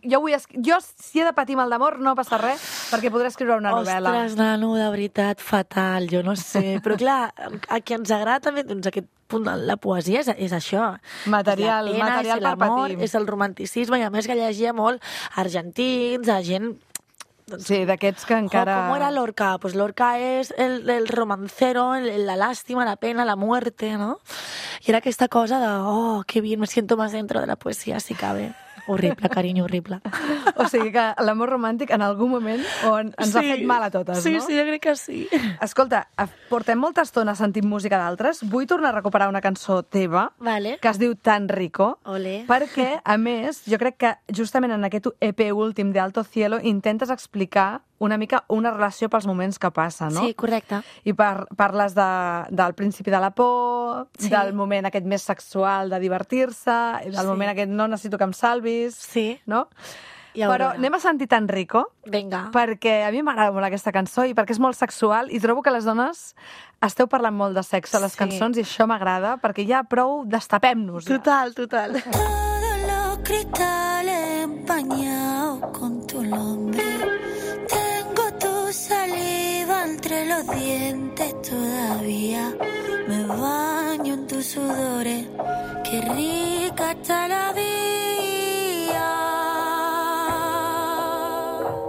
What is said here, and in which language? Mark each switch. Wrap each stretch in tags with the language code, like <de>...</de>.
<ca>Jo, si he de patir mal d'amor, no passa res, perquè podré escriure una novel·la. Ostres, nano, de veritat, fatal, jo no sé. Però clar, a qui ens agrada també, doncs aquest punt de la poesia és això. Material, és la pena, material és per patir. És el romanticisme, i a més que llegia molt argentins, a gent... Sí, d'aquests que encara...</ca> <es>Oh, ¿cómo era Lorca? Pues Lorca es el romancero, la lástima, la pena, la muerte, ¿no? Y era</es> <ca>aquesta cosa</ca> <es>de, oh, qué bien, me siento más dentro de la poesía, si cabe.</es> <ca>Horrible, carinyo, horrible. O sigui que l'amor romàntic en algun moment ens ha fet mal a totes, sí, no? Sí, sí, jo crec que sí. Escolta, portem molta estona sentint música d'altres. Vull tornar a recuperar una cançó teva, vale, que es diu Tan Rico. Olé. Perquè, a més, jo crec que justament en aquest EP últim d'Alto Cielo intentes explicar una mica una relació pels moments que passa, no? Sí, correcte. I parles del principi de la por, sí, del moment aquest més sexual de divertir-se, del, sí, moment aquest no necessito que em salvis, sí, no? Ja. Però anem a sentir Tan Rico. Vinga. Perquè a mi m'agrada molt aquesta cançó i perquè és molt sexual i trobo que les dones esteu parlant molt de sexe a les, sí, cançons i això m'agrada perquè ja prou destapem-nos. Ja. Total, total.</ca> <es>Todos los cristales empañados con tu nombre. Saliva entre los dientes todavía. Me baño en tus sudores. Qué rica está la vía.</es>